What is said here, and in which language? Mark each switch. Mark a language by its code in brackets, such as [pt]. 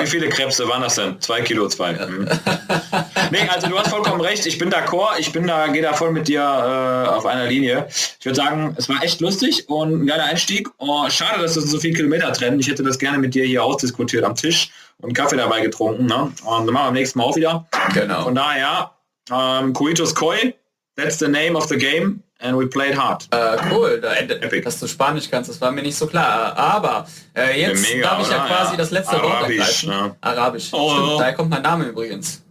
[de] Wie viele Krebse waren das denn? 2 Kilo zwei. Ja. Mhm. Nee, also du hast vollkommen recht. Ich bin d'accord. Ich bin da, gehe da voll mit dir auf einer Linie. Ich würde sagen, es war echt lustig und ein geiler Einstieg. Oh, schade, dass das so viele Kilometer trennen. Ich hätte das gerne mit dir hier ausdiskutiert am Tisch und Kaffee dabei getrunken. Ne? Und dann machen wir am nächsten Mal auch wieder. Genau. Von daher, [en] Coitus Coi, that's the name of the game. And we played hard. [de] Cool, da endet Epic. Dass du Spanisch kannst, das war mir nicht so klar. Aber jetzt mega, darf ich ja quasi das letzte Arabisch, Wort ergreifen. Ne? Arabisch. Oh, stimmt, oh. Daher kommt mein Name übrigens.